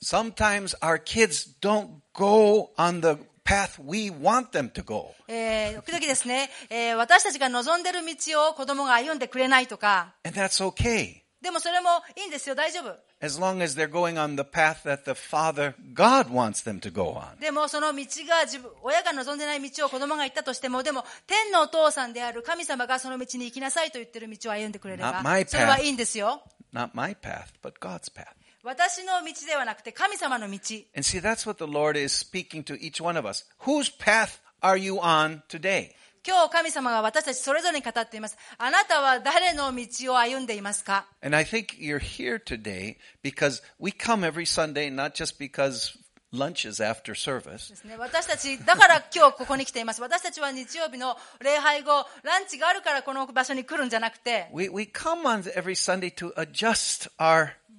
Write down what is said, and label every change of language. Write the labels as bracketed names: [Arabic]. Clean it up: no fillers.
[English] Sometimes our kids don't go on the path we want them to go. [Japanese] 時々ですね、私たちが望んでる道を子供が歩んでくれないとか。 [English] And that's okay. [Japanese] でもそれもいいんですよ、大丈夫。 [English] As long as they're going on the path that the Father God wants them to go on. [Japanese] でもその道が親が望んでない道を子供が行ったとしても、でも天のお父さんである神様がその道に行きなさいと言ってる道を歩んでくれれば、 [English] Not my path. [Japanese] それはいいんですよ。 [English] Not my path, but God's path. [Japanese] 私の道ではなくて神様の道。 [English] And see, that's what the Lord is speaking to each one of us. Whose path are you on today? [Japanese] 今日神様が私たちそれぞれに語っています。あなたは誰の道を歩んでいますか? [English] And I think you're here today because we come every Sunday not just because lunch is after service. [Japanese] 私たちだから今日ここに来ています。私たちは日曜日の礼拝後、ランチがあるからこの場所に来るんじゃなくて。 [English] We come on every Sunday to adjust our